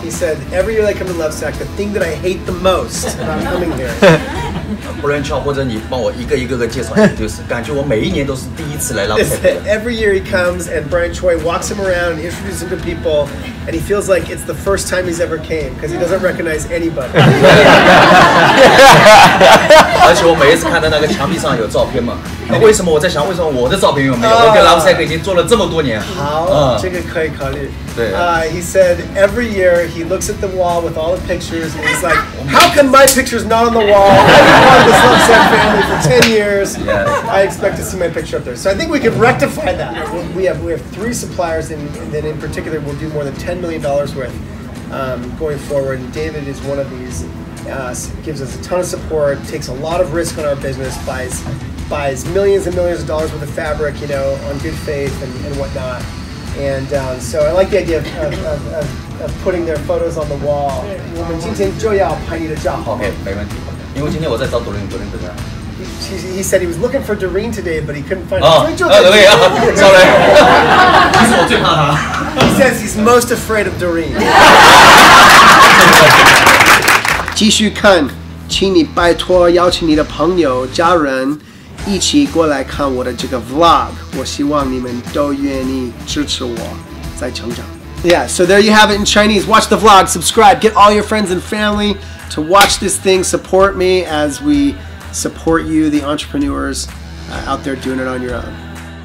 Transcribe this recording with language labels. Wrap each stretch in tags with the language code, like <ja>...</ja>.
<en>He said, every year I come to Lovesac, the thing that I hate the most about coming here.</en> <zh>不然叫或者你帮我一个一个个介绍 introduce, 感觉我每一年都是第一次来 Lovesac。</zh> <en>Every year he comes and Brian Choi walks him around and introduces him to people, and he feels like it's the first time he's ever came, because he doesn't recognize anybody.</en> <zh>而且我每一次看到那个墙壁上有照片嘛，那为什么我在想，为什么我的照片有没有？我跟 Lovesac 已经做了这么多年。好，这个可以考虑。对。</zh> <en>He said every year he looks at the wall with all the pictures and he's like, how come my picture's not on the wall? I've been part of this Lovesac family for 10 years. Yes. I expect to see my picture up there. So I think we can rectify that. We have three suppliers, and then in particular, we'll do more than $10 million worth going forward. And David is one of these. Gives us a ton of support, takes a lot of risk on our business, buys millions and millions of dollars worth of fabric, you know, on good faith and whatnot. And so I like the idea of putting their photos on the wall.</en> <zh>我们今天就要拍你的照。 OK, 没问题。因为今天我在找Doreen对吧？</zh> <en>He said he was looking for Doreen today, but he couldn't find Doreen. Oh, sorry. He says he's most afraid of Doreen.</en> <zh>继续看，请你拜托邀请你的朋友、家人一起过来看我的这个 vlog。我希望你们都愿意支持我在成长。</zh> <en>Yeah, so there you have it in Chinese. Watch the vlog, subscribe, get all your friends and family to watch this thing. Support me as we support you, the entrepreneurs out there doing it on your own.</en>